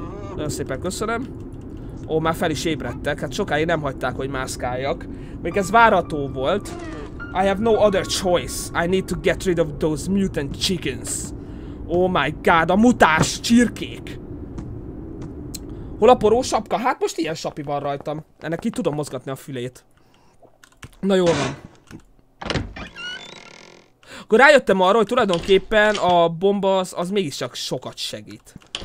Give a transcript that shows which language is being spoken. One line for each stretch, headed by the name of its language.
Hungarian: Nagyon szépen köszönöm. Ó, már fel is ébredtek, hát sokáig nem hagyták, hogy mászkáljak. Még ez várató volt.
English: I have no other choice. I need to get rid of those mutant chickens. Oh my god,
Hungarian: a mutáns csirkék! Hol a poró sapka? Hát most ilyen sapi van rajtam. Ennek ki tudom mozgatni a fülét. Na jól van. Akkor rájöttem arra, hogy tulajdonképpen a bomba az mégiscsak sokat segít.